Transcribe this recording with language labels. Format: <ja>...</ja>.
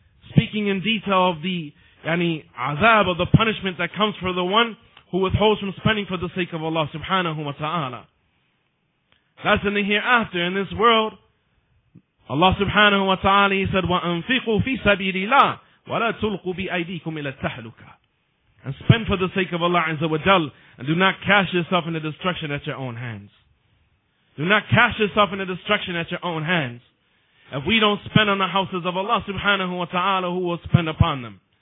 <en>Speaking in detail of the, azab, of the punishment that comes for the one who withholds from spending for the sake of Allah subhanahu wa ta'ala. That's in the hereafter, in this world. Allah subhanahu wa ta'ala, he said,</en> <ar>وَأَنْفِقُوا فِي سَبِيلِ اللَّهِ وَلَا تُلْقُوا بِأَيْدِيكُمْ إِلَى التَّحْلُكَ.</ar> <en>And spend for the sake of Allah Azza wa Jal, and do not cast yourself into destruction at your own hands. Do not cast yourself into destruction at your own hands. If we don't spend on the houses of Allah subhanahu wa ta'ala, who will spend upon them?</en>